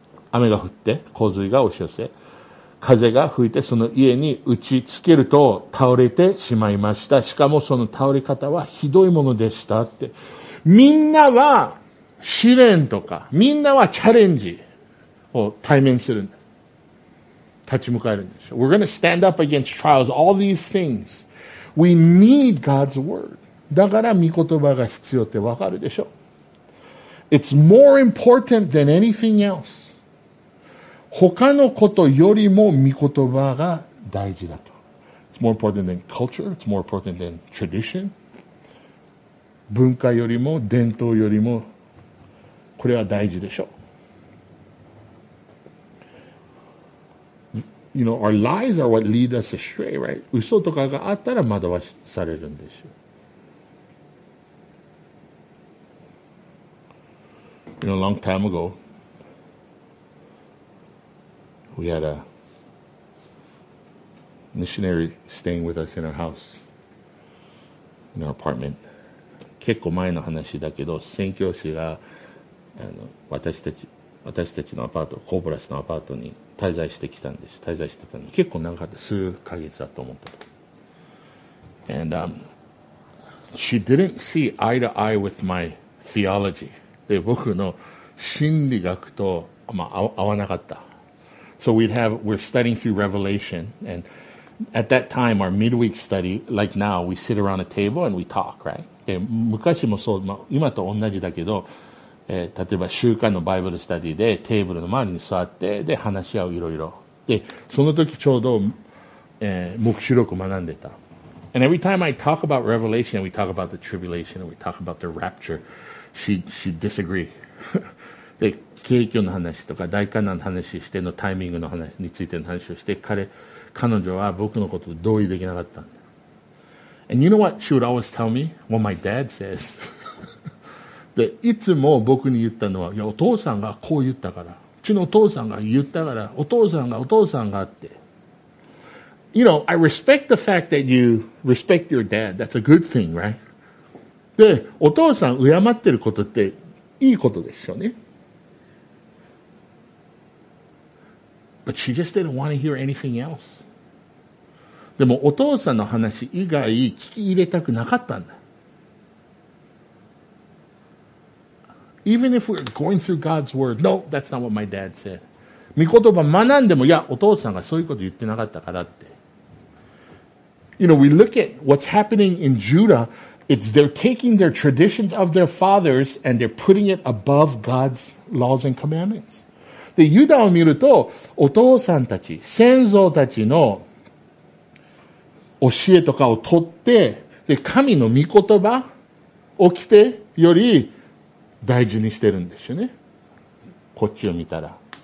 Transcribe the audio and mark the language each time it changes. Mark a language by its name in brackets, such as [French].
[Japanese] 雨が降って洪水が押し寄せ、風が吹いてその家に打ちつけると倒れてしまいました。しかもその倒れ方はひどいものでしたって。みんなは試練とか、みんなはチャレンジを対面するんだ。立ち向かえるんでしょ。 [English] We're gonna stand up against trials, all these things. We need God's word. [Japanese] だから御言葉が必要ってわかるでしょ。 [English] It's more important than anything else. [Japanese] 他のことよりも御言葉が大事だと。 [English] It's more important than culture. It's more important than tradition. [Japanese] 文化よりも伝統よりもこれは大事でしょう。 [English] You know, our lies are what lead us astray, right? [Japanese] 嘘とかがあったら惑わされるんですよ。 [English] You know, a long time ago,We had a missionary staying with us in our house, in our apartment. [Japanese] 結構前の話だけど、宣教師があの私たちのアパート、コーブラスのアパートに滞在してきたんです。滞在してたんです。結構長かった。数ヶ月だと思った。 [English] And she didn't see eye to eye with my theology. [Japanese] で、僕の心理学と、まあ、合わなかった。 [English] So we're studying through Revelation, and at that time, our midweek study, like now, we sit around a table and we talk, right? [Japanese] 昔もそう、まあ、今と同じだけど、例えば週間のバイブルスタディでテーブルの周りに座って、で、話し合ういろいろ。で、その時ちょうど、黙示録学んでた。 [English] And every time I talk about Revelation, we talk about the tribulation, and we talk about the rapture, she disagree. [Japanese] で、景況の話とか大観覧の話してのタイミングの話についての話をして彼女は僕のことを同意できなかったんだ。 [English] And you know what she would always tell me? What my dad says. [Japanese] で、いつも僕に言ったのは、いや、お父さんがこう言ったから、うちのお父さんが言ったから、お父さんが、お父さんがって。 [English] You know, I respect the fact that you respect your dad. That's a good thing, right? [Japanese] で、お父さん敬ってることっていいことですよね。 [English] But she just didn't want to hear anything else. [Japanese] でもお父さんの話以外聞き入れたくなかったんだ。 [English] Even if we're going through God's word, no, that's not what my dad said. [Japanese] 御言葉学んでも、いや、お父さんがそういうこと言ってなかったからって。 [English] You know, we look at what's happening in Judah. It's they're taking their traditions of their fathers and they're putting it above God's laws and commandments. [Japanese] で、ユダを見ると、お父さんたち、先祖たちの教えとかを取って、で、神の御言葉を着てより大事にしてるんですよね。こっちを見たら。